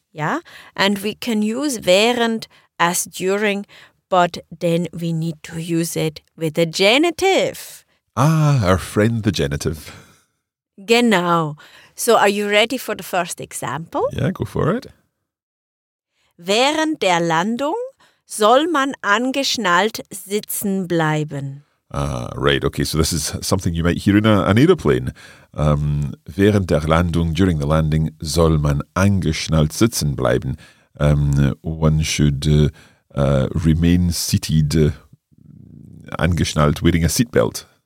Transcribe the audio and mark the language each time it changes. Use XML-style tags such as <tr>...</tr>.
<en>Ja, and we can use während as during, but then we need to use it with the genitive. Ah, our friend the genitive.</en> <de>Genau.</de> <en>So are you ready for the first example? Yeah, go for it.</en> <de>Während der Landung soll man angeschnallt sitzen bleiben.</de> <en>Ah, right. Okay, so this is something you might hear in an aeroplane.</en> <de>Während der Landung,</de> <en>during the landing,</en> <de>soll man angeschnallt sitzen bleiben.</de> <en>One should remain seated, angeschnallt, wearing a seatbelt.</en>